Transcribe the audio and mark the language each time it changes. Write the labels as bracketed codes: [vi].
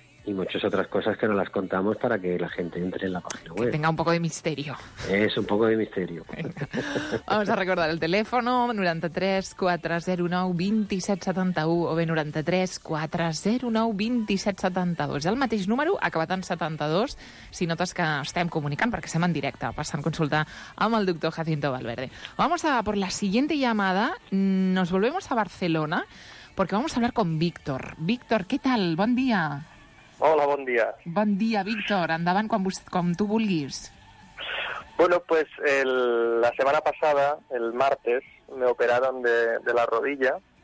[es] y muchas otras cosas que no las contamos para que la gente entre en la página web. Que tenga un poco de misterio. Es un poco de misterio. Venga. Vamos a recordar el teléfono, 93-409-2771, [ca] o bé [es] 93-409-2772. [ca] El mateix número, acabat en 72, si notes que estem comunicant, perquè estem en directe, passant consulta amb el doctor Jacinto Valverde. [es] Vamos a por la siguiente llamada. Nos volvemos a Barcelona, porque vamos a hablar con Víctor. Víctor, ¿qué tal? [ca] Bon dia. Hola, bon dia. Bon dia, Víctor. Endavant quan tu vulguis. [es] Bueno, pues [ca] la setmana passada, [es] el martes, me operaron de la rodilla.